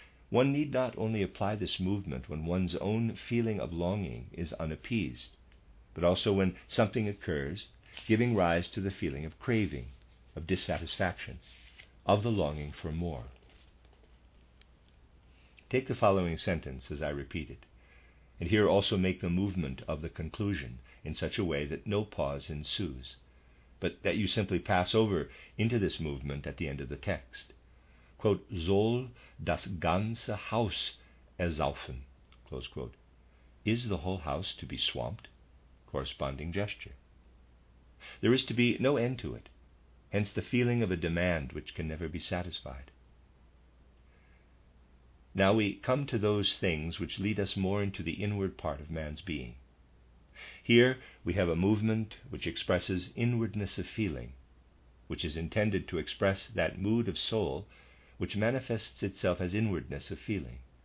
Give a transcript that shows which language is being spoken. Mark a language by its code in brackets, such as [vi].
[en] One need not only apply this movement when one's own feeling of longing is unappeased, but also when something occurs, giving rise to the feeling of craving, of dissatisfaction, of the longing for more. Take the following sentence as I repeat it, and here also make the movement of the conclusion in such a way that no pause ensues, but that you simply pass over into this movement at the end of the text. Quote, [de] Soll das ganze Haus ersaufen, [en] close quote. Is the whole house to be swamped? Corresponding gesture. There is to be no end to it, hence the feeling of a demand which can never be satisfied. Now we come to those things which lead us more into the inward part of man's being. Here we have a movement which expresses inwardness of feeling, which is intended to express that mood of soul which manifests itself as inwardness of feeling.